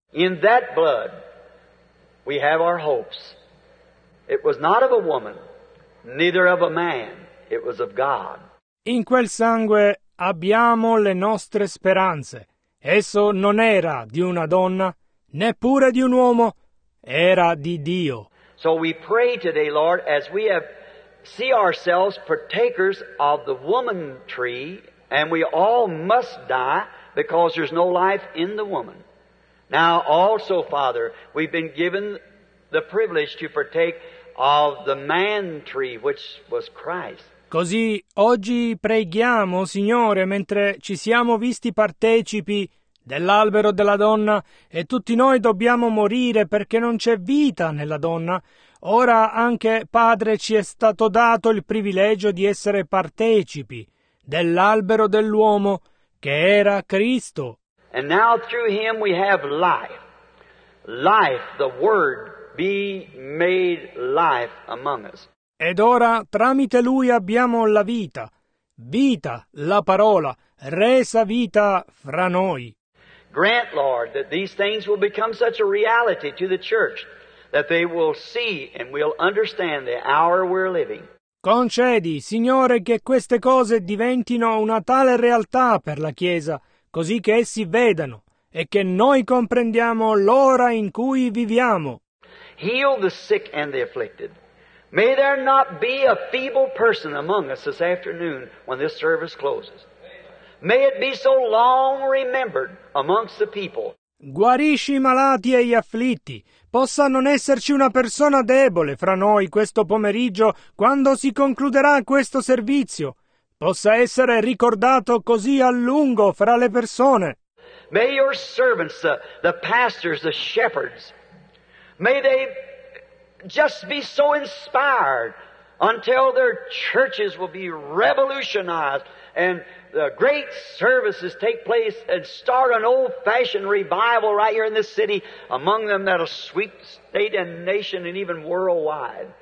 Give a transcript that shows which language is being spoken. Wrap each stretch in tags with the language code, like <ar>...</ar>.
<en>In that blood we have our hopes. It was not of a woman, neither of a man, It was of God.</en> <it>In quel sangue abbiamo le nostre speranze. Esso non era di una donna, neppure di un uomo, era di Dio.</it> <en>So we pray today, Lord, as we have see ourselves partakers of the woman tree, and we all must die because there's no life in the woman. Now also, Father, we've been given the privilege to partake of the man tree, which was Christ.</en> <it>Così oggi preghiamo, Signore, mentre ci siamo visti partecipi dell'albero della donna e tutti noi dobbiamo morire perché non c'è vita nella donna. Ora anche, Padre, ci è stato dato il privilegio di essere partecipi dell'albero dell'uomo che era Cristo.</it> <en>And now through him we have life. Life, the word, be made life among us.</en> <it>Ed ora tramite lui abbiamo la vita. Vita, la parola, resa vita fra noi.</it> <en>Grant, Lord, that these things will become such a reality to the church that they will see and will understand the hour we're living.</en> <it>Concedi, Signore, che queste cose diventino una tale realtà per la Chiesa, così che essi vedano e che noi comprendiamo l'ora in cui viviamo.</it> <en>Heal the sick and the afflicted. May there not be a feeble person among us this afternoon when this service closes. May it be so long remembered amongst the people.</en> <it>Guarisci i malati e gli afflitti. Possa non esserci una persona debole fra noi questo pomeriggio quando si concluderà questo servizio. Possa essere ricordato così a lungo fra le persone.</it> <en>May your servants, the pastors, the shepherds, may they just be so inspired until their churches will be revolutionized and the great services take place and start an old-fashioned revival right here in this city among them that'll sweep state and nation and even worldwide.</en>